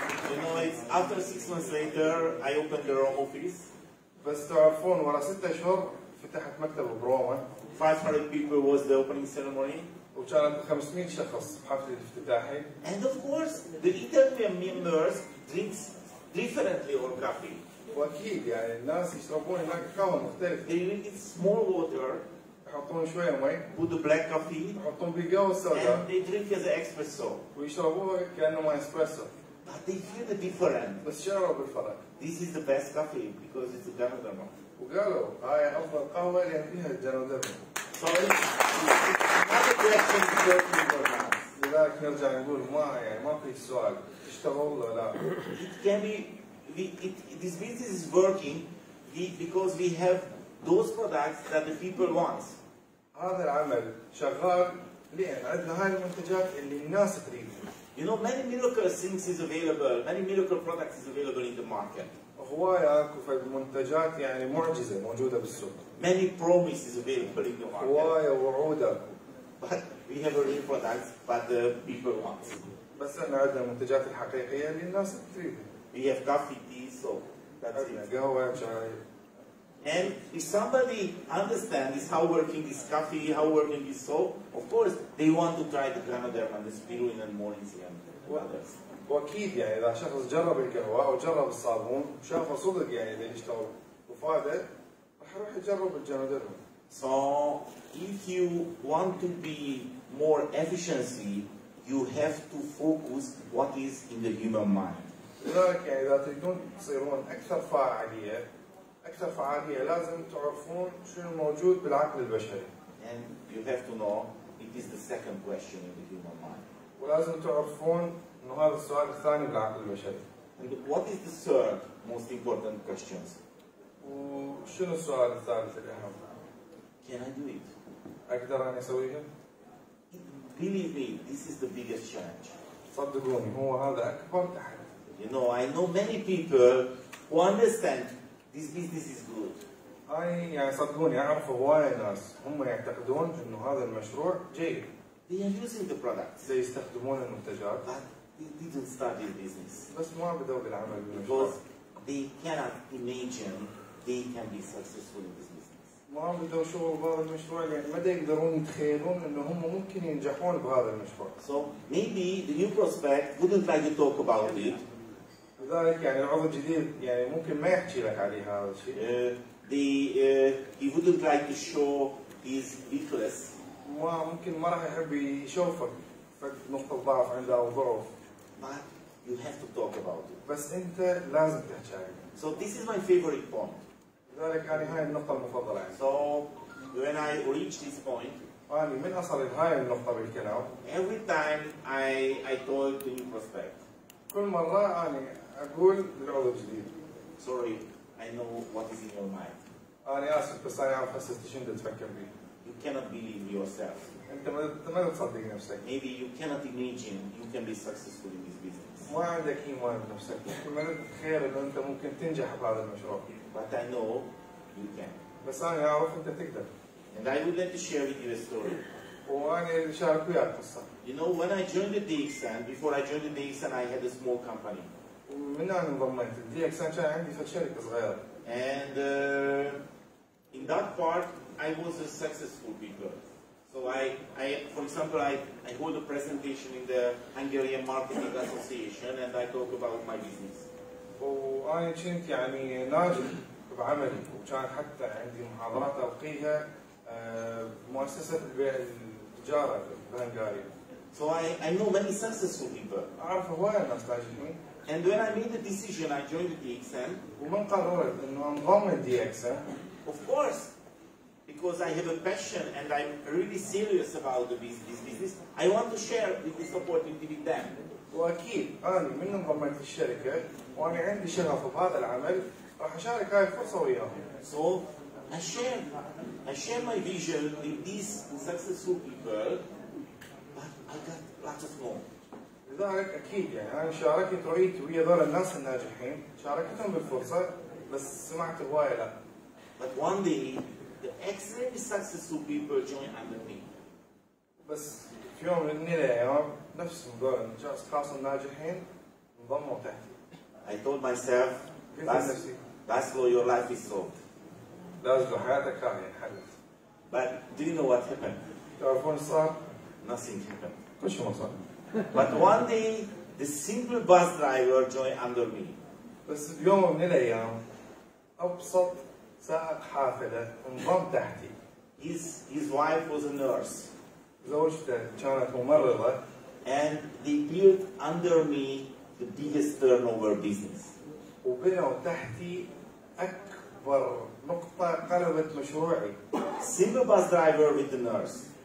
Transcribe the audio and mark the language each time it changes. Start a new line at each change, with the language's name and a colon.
English: You know, it's after 6 months later, I opened the Rome office.
Arabic: بس تعرفون ورا ستة شهور فتحت مكتب بروما.
English: 500 people was the opening ceremony.
Arabic: وكان 500 شخص حفل الافتتاحي.
English: And of course, the Italian members drinks differently or coffee.
Arabic: وأكيد يعني الناس يشربون هناك قهوة مختلفة.
English: They drink small water.
Arabic: يحطون شوية مي.
English: Put the black coffee.
Arabic: يحطون بقهوة سوداء.
English: And they drink as espresso.
Arabic: ويشربوها كأنه ماي اسبريسو.
English: But they feel the difference.
Arabic: بس شعروا بالفرق.
English: This is the best coffee because it's a Ganoderma.
Arabic: وقالوا هاي أفضل قهوة اللي فيها Ganoderma.
English: So another question is working for us.
Arabic: لذلك نرجع نقول ما يعني ما في سؤال اشتغل ولا لا.
English: It can be, this business is working because we have those products that the people want.
Arabic: هذا العمل شغال لأن عندنا هاي المنتجات اللي الناس تريدها.
English: You know, many miracle things is available, many miracle products is available in the market.
Arabic: هوايات وفي المنتجات يعني معجزة موجودة بالسوق.
English: Many promises available in the market.
Arabic: هواية وعودة.
English: But we have a real product, but the people want.
Arabic: بس احنا عندنا المنتجات الحقيقية اللي الناس تريدها.
English: We have coffee, tea, soap. That's it.
Arabic: قهوة شاي.
English: And if somebody understands how working is coffee, how working is soap, of course they want to try the Ganoderma and the spirulina and mauritania and others.
Arabic: وأكيد يعني إذا شخص جرب القهوة أو جرب الصابون شافه صدق يعني اللي اشتغل وفاد راح يروح يجرب الجانوديرما.
English: So if you want to be more efficiency, you have to focus what is in the human mind.
Arabic: لذلك يعني إذا تريدون تصيرون أكثر فاعلية أكثر فعالية لازم تعرفون شو الموجود بالعقل البشري.
English: And you have to know it is the second question in the human mind.
Arabic: ولازم تعرفون إنه هذا السؤال الثاني بالعقل البشري.
English: And what is the third most important questions?
Arabic: وشو السؤال الثالث الأهم؟
English: Can I do it?
Arabic: أقدر أنا أسويها؟
English: Believe me, this is the biggest challenge.
Arabic: صدقوني هو هذا أكبر تحدي.
English: You know, I know many people who understand. This business is good.
Arabic: أي يعني صدقوني أعرف هواي الناس هم يعتقدون إنه هذا المشروع جيد.
English: They are using the products. They
Arabic: يستخدمون المنتجات.
English: But they didn't start the business.
Arabic: بس ما بدأوا بالعمل بالمشروع.
English: Because they cannot imagine they can be successful in this business.
Arabic: ما بدأوا شغل بهذا المشروع يعني ما يقدرون يتخيلون إنه هم ممكن ينجحون بهذا المشروع.
English: So maybe the new prospect wouldn't like to talk about it.
Arabic: لذلك يعني العضو الجديد يعني ممكن ما يحكي لك عليه هذا الشيء.
English: He wouldn't like to show his weakness.
Arabic: ما ممكن ما راح يحب يشوفك نقطة ضعف عنده أو ضعف.
English: But you have to talk about it.
Arabic: بس أنت لازم تحكي عليه.
English: So this is my favorite point.
Arabic: لذلك يعني هاي النقطة المفضلة عندي.
English: So when I reach this point.
Arabic: يعني من أصل هاي النقطة بالكلام.
English: Every time I told the new prospect.
Arabic: كل مرة أنا أقول للعضو الجديد
English: sorry, I know what is in your mind.
Arabic: أنا آسف بس أنا عارف حسيت شو أنت تفكر فيه.
English: You cannot believe yourself.
Arabic: أنت ما تصدق نفسك.
English: Maybe you cannot imagine you can be successful in this business.
Arabic: ما عندك إيمان بنفسك. ما تتخيل إن أنت ممكن تنجح بهذا المشروع.
English: But I know you can.
Arabic: بس أنا أعرف أنت تقدر.
English: And I would like to share with you a story.
Arabic: وأنا أشارك وياك قصة.
English: You know when I joined the DXN, before I joined the DXN, I had a small company.
Arabic: ومن أنا انضميت DXN كان عندي شركة صغيرة.
English: And in that part, I was a successful speaker. So I, for example, I hold a presentation in the Hungarian Marketing Association, and I talk about my business. Oh, I
Arabic: كنت يعني ناجح بعملي وكان حتى عندي محاضرات ألقيها مؤسسة البيع التجارة بهنغاريا.
English: So I know many successful people.
Arabic: أعرف هواي ناس ناجحين.
English: And when I made the decision, I joined the DXN.
Arabic: ومن قررت إنه أنضم DXN.
English: Of course, because I have a passion and I'm really serious about the business, I want to share this opportunity with them.
Arabic: وأكيد أنا من انضميت الشركة وأنا عندي شغف بهذا العمل راح أشارك هاي الفرصة وياهم.
English: So I share my vision with these successful people, but I got lots of more.
Arabic: لذلك أكيد يعني أنا شاركت رؤيت ويا ذول الناس الناجحين شاركتهم بالفرصة بس سمعت هواي لا.
English: But one day, the extremely successful people join under me.
Arabic: بس في يوم من الأيام نفس ذول الناس خاصة الناجحين انضموا تحتي.
English: I told myself, Laszlo, your life is solved.
Arabic: Laszlo, حياتك راح ينحلت.
English: But do you know what happened?
Arabic: تعرفون صار؟
English: Nothing happened.
Arabic: كل شيء ما صار.
English: But one day, the simple bus driver joined under me.
Arabic: بس بيوم من الأيام أبسط سائق حافلة انضم تحتي.
English: His wife was a nurse.
Arabic: زوجته كانت ممرضة.
English: And they built under me the biggest turnover business.
Arabic: وبنوا تحتي أكبر نقطة قلبت مشروعي.
English: Simple bus driver with the nurse.